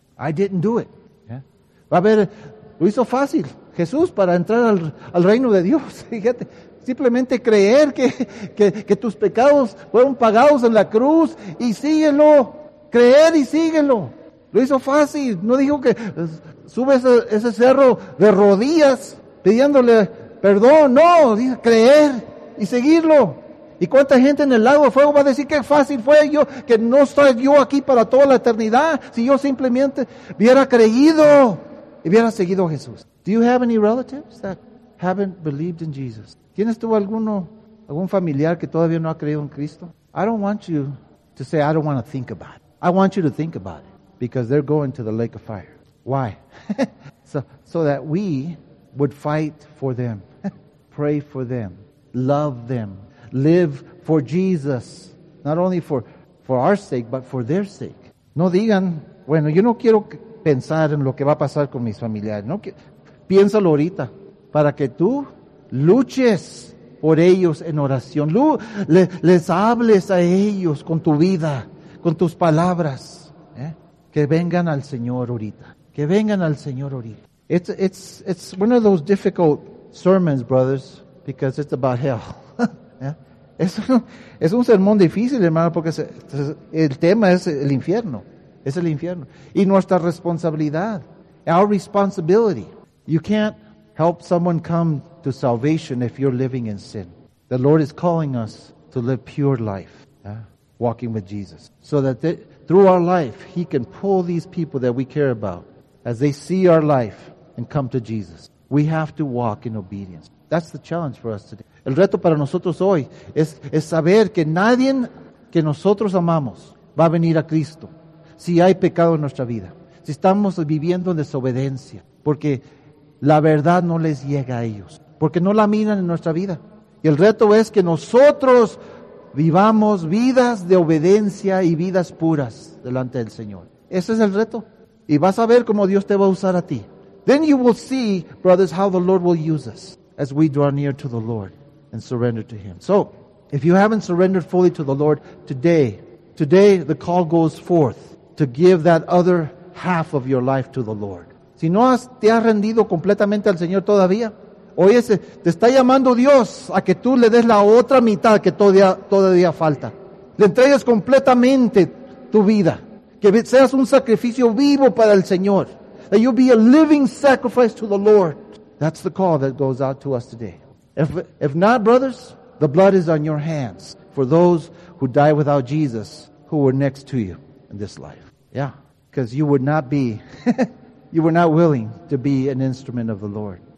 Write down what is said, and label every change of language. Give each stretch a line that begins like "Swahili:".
English: I didn't do it. Yeah.
Spanish: Va a ver, lo hizo fácil Jesús para entrar al reino de Dios. Fíjate, simplemente creer que tus pecados fueron pagados en la cruz y síguelo. Creer y síguelo. Lo hizo fácil. No dijo que sube ese cerro de rodillas pidiéndole perdón. No, dice creer y seguirlo. ¿Y cuánta gente en el lago de fuego va a decir qué fácil fue yo, que no estoy yo aquí para toda la eternidad, si yo simplemente hubiera creído y hubiera seguido a Jesús?
English: Do you have any relatives that haven't believed in Jesus?
Spanish: ¿Tienes tú algún familiar que todavía no ha creído en Cristo?
English: I don't want you to say, I don't want to think about it. I want you to think about it. Because they're going to the lake of fire. Why? so that we would fight for them. Pray for them. Love them. Live for Jesus. Not only for our sake, but for their sake.
Spanish: No digan, bueno, yo no quiero pensar en lo que va a pasar con mis familiares. No, que, piénsalo ahorita, para que tú luches por ellos en oración. Les hables a ellos con tu vida, con tus palabras. Que vengan al Señor ahorita. Que vengan al Señor ahorita.
English: It's one of those difficult sermons, brothers, because it's about hell.
Spanish: Es un sermón difícil, hermano, porque el tema es el infierno. Es el infierno. Y nuestra responsabilidad.
English: Our responsibility. You can't help someone come to salvation if you're living in sin. The Lord is calling us to live pure life. Yeah. Walking with Jesus. So that through our life, He can pull these people that we care about as they see our life and come to Jesus. We have to walk in obedience. That's the challenge for us today.
Spanish: El reto para nosotros hoy es saber que nadie que nosotros amamos va a venir a Cristo si hay pecado en nuestra vida, si estamos viviendo en desobediencia, porque la verdad no les llega a ellos, porque no la miran en nuestra vida. Y el reto es que nosotros vivamos vidas de obediencia y vidas puras delante del Señor. Ese es el reto. Y vas a ver cómo Dios te va a usar a ti.
English: Then you will see, brothers, how the Lord will use us as we draw near to the Lord and surrender to Him. So, if you haven't surrendered fully to the Lord today the call goes forth to give that other half of your life to the Lord.
Spanish: Si no te has rendido completamente al Señor todavía, oye, te está llamando Dios a que tú le des la otra mitad que todavía falta. Le entregues completamente tu vida. Que seas un sacrificio vivo para el Señor.
English: That you be a living sacrifice to the Lord. That's the call that goes out to us today. If not, brothers, the blood is on your hands for those who die without Jesus who were next to you in this life. Yeah. Because you would not be, you were not willing to be an instrument of the Lord.